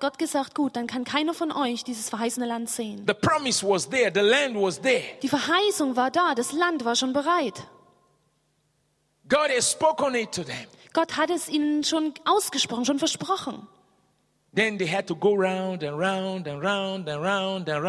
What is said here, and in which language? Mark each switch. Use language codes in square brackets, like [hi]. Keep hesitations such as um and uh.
[de] Gott gesagt, gut, dann kann keiner von euch dieses verheißene Land sehen. [en] The promise was there, the land was there. [de] Die Verheißung war da, das Land war schon bereit. [en] God has spoken it to them. [de] Gott hat es ihnen schon ausgesprochen, schon versprochen. [en] Round and round and round and